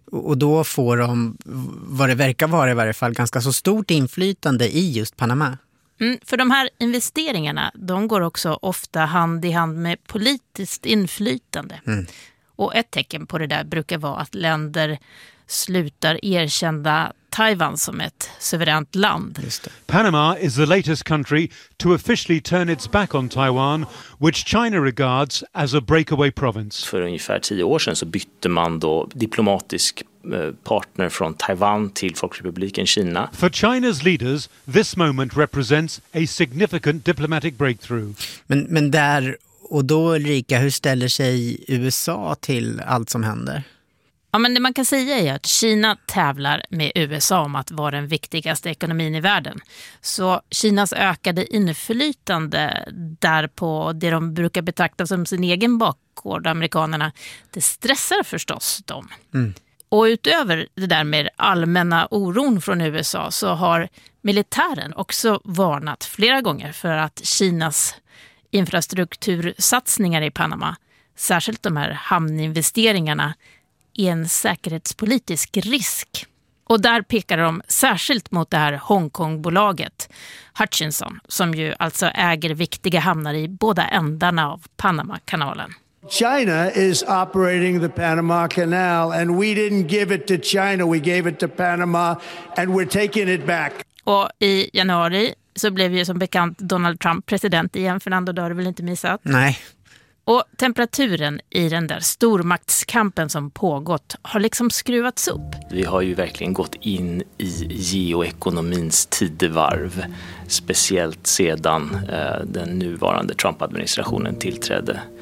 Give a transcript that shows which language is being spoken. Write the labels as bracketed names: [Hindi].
[Swedish] Och då får de, vad det verkar vara i varje fall, ganska så stort inflytande i just Panama. Mm. För de här investeringarna, de går också ofta hand i hand med politiskt inflytande. Mm. Och ett tecken på det där brukar vara att länder slutar erkänna Taiwan som ett suveränt land. [English] Panama is the latest country to officially turn its back on Taiwan, which China regards as a breakaway province. [Swedish] För ungefär 10 år sedan så bytte man då diplomatisk partner från Taiwan till Folkrepubliken Kina. [English] For China's leaders, this moment represents a significant diplomatic breakthrough. [Swedish] Men där och då, Ulrika, hur ställer sig USA till allt som händer? Ja, men det man kan säga är att Kina tävlar med USA om att vara den viktigaste ekonomin i världen. Så Kinas ökade inflytande där på det de brukar betrakta som sin egen bakgård, amerikanerna, det stressar förstås dem. Mm. Och utöver det där med allmänna oron från USA så har militären också varnat flera gånger för att Kinas infrastruktursatsningar i Panama, särskilt de här hamninvesteringarna, är en säkerhetspolitisk risk. Och där pekar de särskilt mot det här Hongkongbolaget Hutchinson, som ju alltså äger viktiga hamnar i båda ändarna av Panama-kanalen. [English] China is operating the Panama Canal and we didn't give it to China, we gave it to Panama and we're taking it back. [Swedish] Och i januari så blev ju som bekant Donald Trump president igen. Fernando, det har du väl inte missat? Nej. Och temperaturen i den där stormaktskampen som pågått har liksom skruvats upp. Vi har ju verkligen gått in i geoekonomins tidevarv, speciellt sedan den nuvarande Trump-administrationen tillträdde.